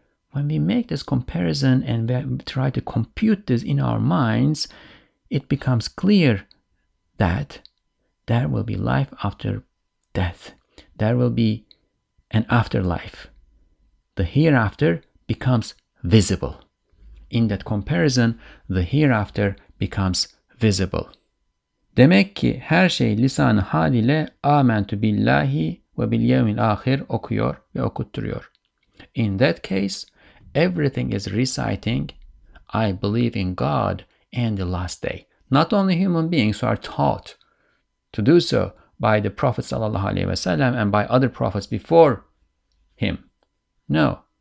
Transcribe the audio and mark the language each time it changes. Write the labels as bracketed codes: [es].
[en] When we make this comparison and we try to compute this in our minds, it becomes clear that there will be life after death. There will be an afterlife. The hereafter becomes visible. In that comparison, the hereafter becomes visible. [tr] Demek ki her şey lisan-ı hal ile [ar] amentu billahi ve bil yevmil ahir [tr] okuyor ve okutturuyor. [en] In that case, everything is reciting, I believe in God and the last day. Not only human beings who are taught to do so by the Prophet [ar] sallallahu alaihi wasallam [en] and by other prophets before him. No.